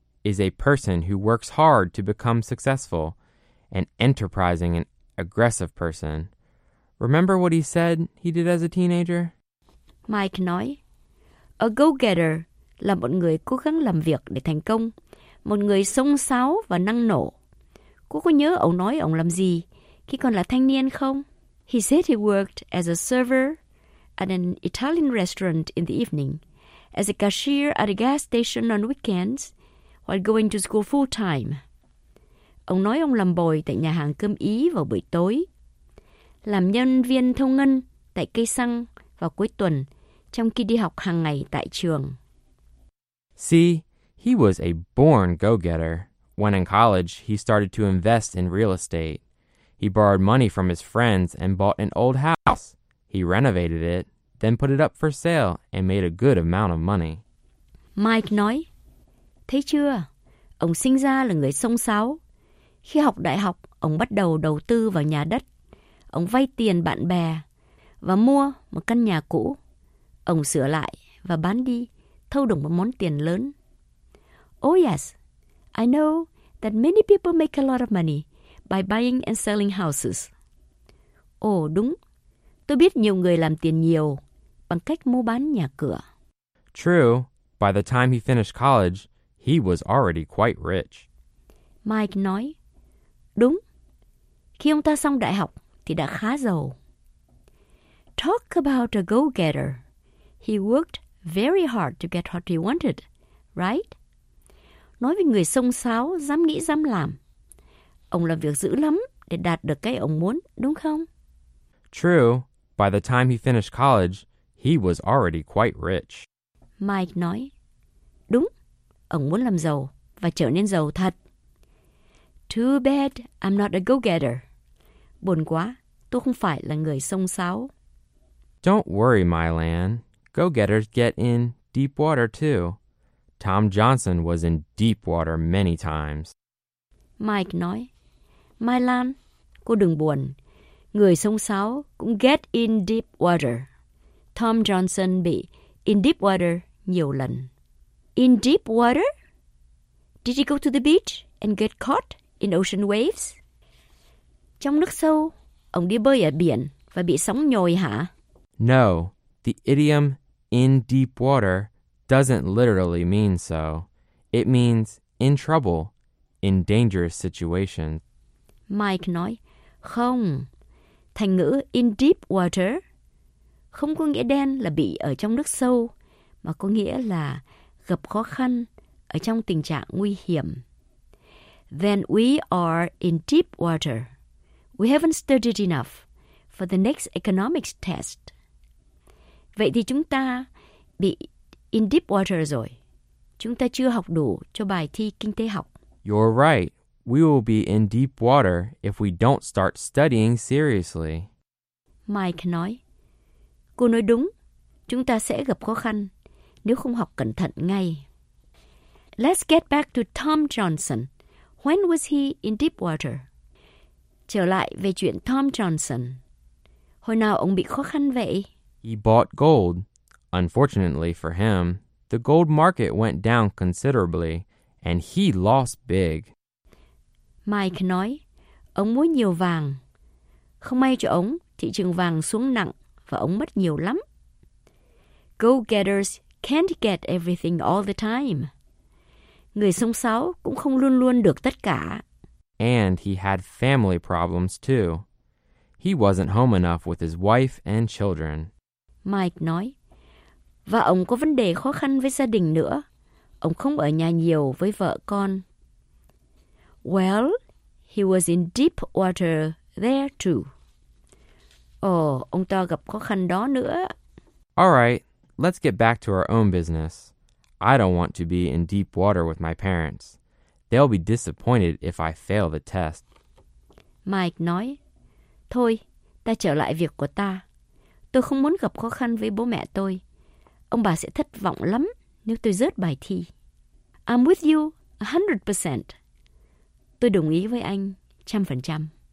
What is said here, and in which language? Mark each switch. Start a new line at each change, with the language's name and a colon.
English: Is a person who works hard to become successful, an enterprising and aggressive person. Remember what he said he did as a teenager?
Vietnamese: Mike nói, a go-getter là một người cố gắng làm việc để thành công, một người xông xáo và năng nổ. Cô có nhớ ông nói ông làm gì khi còn là thanh niên không?
English: He said he worked as a server at an Italian restaurant in the evening, as a cashier at a gas station on weekends, while going to school full time.
Vietnamese: Ông nói ông làm bồi tại nhà hàng cơm Ý vào buổi tối, làm nhân viên thông ngân tại cây xăng vào cuối tuần trong khi đi học hàng ngày tại trường.
English: See, he was a born go-getter. When in college, he started to invest in real estate. He borrowed money from his friends and bought an old house. He renovated it, then put it up for sale and made a good amount of money.
Vietnamese: Mike nói, thấy chưa? Ông sinh ra là người xông xáo. Khi học đại học, ông bắt đầu đầu tư vào nhà đất. Ông vay tiền bạn bè và mua một căn nhà cũ. Ông sửa lại và bán đi, thâu được một món tiền lớn.
English: Oh yes, I know that many people make a lot of money by buying and selling houses.
Vietnamese: Ồ, đúng. Tôi biết nhiều người làm tiền nhiều bằng cách mua bán nhà cửa.
English: True, by the time he finished college, he was already quite rich.
Vietnamese: Mike nói, đúng, khi ông ta xong đại học thì đã khá giàu.
English: Talk about a go-getter. He worked very hard to get what he wanted, right?
Vietnamese: Nói về người xông xáo, dám nghĩ dám làm. Ông làm việc dữ lắm để đạt được cái ông muốn, đúng không?
English: True, by the time he finished college, he was already quite rich.
Vietnamese: Mike nói, đúng. Ông muốn làm giàu và trở nên giàu thật.
English: Too bad I'm not a go-getter.
Vietnamese: Buồn quá, tôi không phải là người xông xáo.
English: Don't worry, Mylan. Go-getters get in deep water too. Tom Johnson was in deep water many times.
Vietnamese: Mike nói, Mylan, cô đừng buồn. Người xông xáo cũng get in deep water. Tom Johnson bị in deep water nhiều lần.
English: In deep water? Did he go to the beach and get caught in ocean waves?
Vietnamese: Trong nước sâu, ông đi bơi ở biển và bị sóng nhồi hả?
English: No, the idiom in deep water doesn't literally mean so. It means in trouble, in dangerous situations.
Vietnamese: Mike nói, không, thành ngữ in deep water không có nghĩa đen là bị ở trong nước sâu, mà có nghĩa là gặp khó khăn ở trong tình trạng nguy hiểm.
English: Then we are in deep water. We haven't studied enough for the next economics test.
Vietnamese: Vậy thì chúng ta bị in deep water rồi. Chúng ta chưa học đủ cho bài thi kinh tế học.
English: You're right. We will be in deep water if we don't start studying seriously.
Vietnamese: Mike nói, cô nói đúng. Chúng ta sẽ gặp khó khăn nếu không học cẩn thận ngay.
English: Let's get back to Tom Johnson. When was he in deep water?
Vietnamese: Trở lại về chuyện Tom Johnson. Hồi nào ông bị khó khăn vậy?
English: He bought gold. Unfortunately for him, the gold market went down considerably and he lost big.
Vietnamese: Mike nói, ông mua nhiều vàng. Không may cho ông, thị trường vàng xuống nặng và ông mất nhiều lắm.
English: Go-getters can't get everything all the time.
Vietnamese: Người sông sáo cũng không luôn luôn được tất cả.
English: And he had family problems too. He wasn't home enough with his wife and children.
Vietnamese: Mike nói, và ông có vấn đề khó khăn với gia đình nữa. Ông không ở nhà nhiều với vợ con.
English: Well, he was in deep water there too.
Vietnamese: Ồ, ông ta gặp khó khăn đó nữa.
English: All right, let's get back to our own business. I don't want to be in deep water with my parents. They'll be disappointed if I fail the test.
Vietnamese: Mike nói, thôi, ta trở lại việc của ta. Tôi không muốn gặp khó khăn với bố mẹ tôi. Ông bà sẽ thất vọng lắm nếu tôi rớt bài thi.
English: I'm with you 100%.
Vietnamese: Tôi đồng ý với anh 100%.